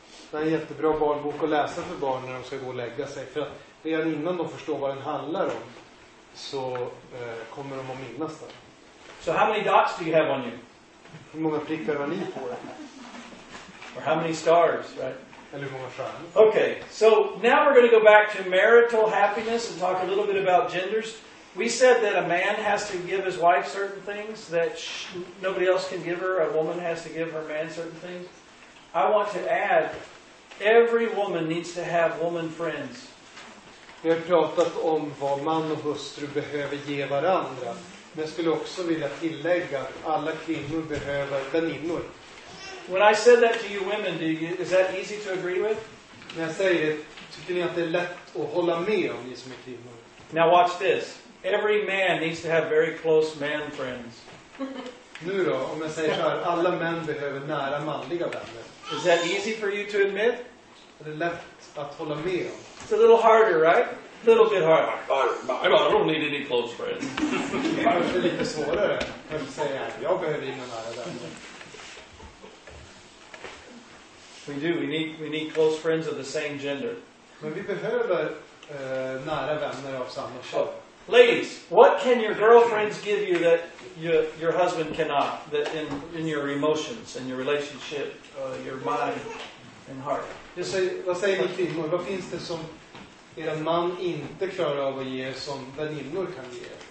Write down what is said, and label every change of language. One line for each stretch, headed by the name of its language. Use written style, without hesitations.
Swedish: Det är en jättebra barnbok att läsa för barn när de ska gå och lägga sig, för redan innan de förstår vad den handlar om. så kommer de att minnas det.
English: So how many dots do you have on you?
Swedish: Hur många prickar har ni på er?
English: Or how many stars, right?
Swedish: Eller hur många stjärnor?
English: Okay, so now we're going to go back to marital happiness and talk a little bit about genders. We said that a man has to give his wife certain things that nobody else can give her. A woman has to give her man certain things. I want to add, every woman needs to have woman friends.
Swedish: Vi har pratat om vad man och hustru behöver ge varandra. Men jag skulle också vilja tillägga att alla kvinnor behöver väninnor.
English: When I said that to you women, do you, is that easy to agree with?
Swedish: När jag säger det, tycker ni att det är lätt att hålla med om ni som är kvinnor?
English: Now watch this. Every man needs to have very close man friends.
Swedish: Nu då, om jag säger så här, alla män behöver nära manliga vänner.
English: Is that easy for you to admit?
Swedish: Är det lätt att hålla med om?
English: It's a little harder, right? A little bit harder. I don't need any close friends.
Swedish: Kanske lite svårare att säga, jag behöver inga nära vänner.
English: We do, we need close friends of the same gender.
Swedish: Men vi behöver nära vänner av samma kön.
English: Ladies, what can your girlfriends give you that your husband cannot? That in your emotions and your relationship, your mind and heart.
Swedish: Jag säger, vad säger ni kvinnor? Vad finns det som er man inte klarar av att ge som väninnor kan ge?